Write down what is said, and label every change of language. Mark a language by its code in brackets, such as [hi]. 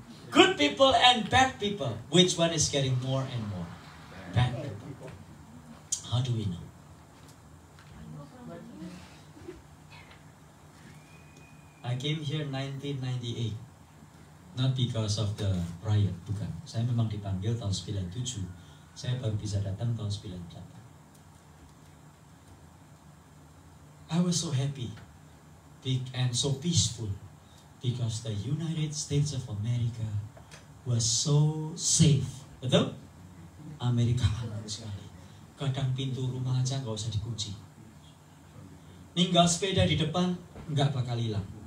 [en] Good people and bad people, which one is getting more and more? Bad people. How do we know? I came here 1998. Not because of the riot, [id] bukan. Saya memang dipanggil tahun 97. Saya baru bisa datang tahun 98. [en] I was so happy and so peaceful because the United States of America was so safe. [id] Betul? Amerika aman sekali. Kadang pintu rumah aja gak usah dikunci. Ninggal sepeda di depan, gak bakal hilang.